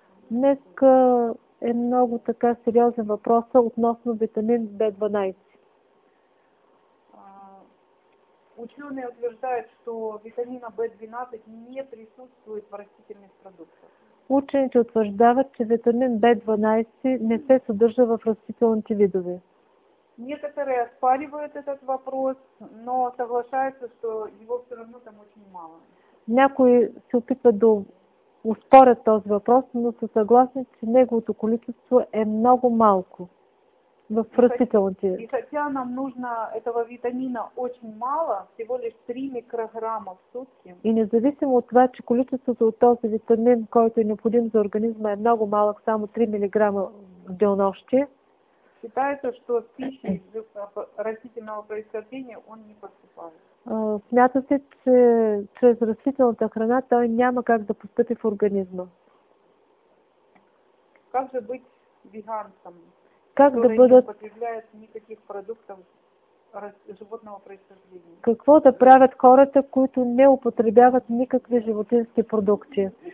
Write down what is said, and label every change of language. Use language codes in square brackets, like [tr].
[bg] Днеска е много така сериозен въпрос относно витамин B12. [ru] Ученые утверждают, что витамина B12 не присутствует в растительных продуктах. [bg] Учените утверждават, че витамин B12 не се съдържа в растителните видове. [ru] Некоторые оспаривают этот вопрос, но соглашаются, что его все равно там очень мало. [bg] Някои се опитват да успорят този въпрос, но са съгласни, че неговото количество е много малко. В растителните. [ru] И хотя нам нужно этого витамина очень мало, всего лишь 3 микрограмма в сутки. [bg] И независимо от това, че количеството от този витамин, който е необходим за организма, е много малък, само 3 милиграма в денонощие. [ru] Считается, что с пищей растительного происхождения он не поступает. [bg] Смята се, че чрез растителната храна той няма как да поступи в организма. [ru] Как же быть веганцем? [bg] Как да бъдат... [ru] не употребляют никаких продуктов животного происхождения. [bg] Какво да правят хората, които не употребяват никакви животински продукти?